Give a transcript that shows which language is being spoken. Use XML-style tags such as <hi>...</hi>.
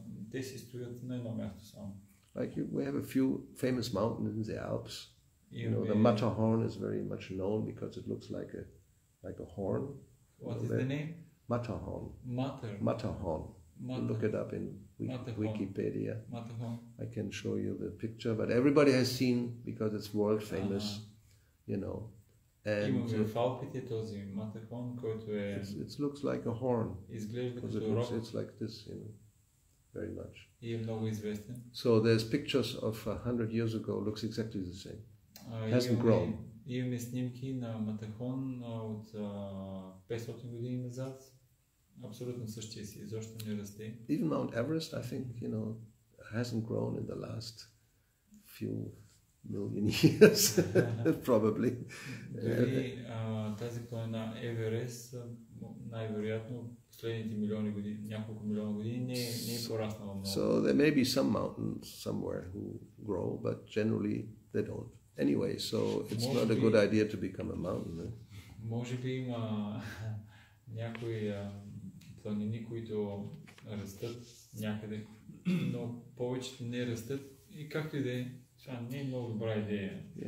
<bg>Те се стоят на едно място само.</bg> <en>Like you, we have a few famous mountains in the Alps. You know, the Matterhorn is very much known because it looks like a horn. What is the name? Matterhorn. Matterhorn. Look it up in Wikipedia. Matterhorn. I can show you the picture, but everybody has seen because it's world famous, you know. And it looks like a horn. It's like this, you know, very much. So there's pictures of 100 years ago, looks exactly the same. Hasn't grown.</en> <bg>Имаме снимки на Матахон от 500 години назад. Абсолютно същия си, изобщо не расте.</bg> <en>Even Mount Everest, I think, you know, hasn't grown in the last few million years, probably.</en> <bg>Дори тази планина Еверест, най-вероятно последните милиони години, няколко милиона години не е пораснала много.</bg> <en>So there may be some mountains somewhere who grow, but generally they don't. Anyway, so it's</en> <bg>може</bg> <en>not</en> <bg>би,</bg> <en>a good idea to become a mountain.</en> <bg>Може би има някои планини, които растат някъде, но повечето не растат. И както и да е, това не е много добра идея.</bg>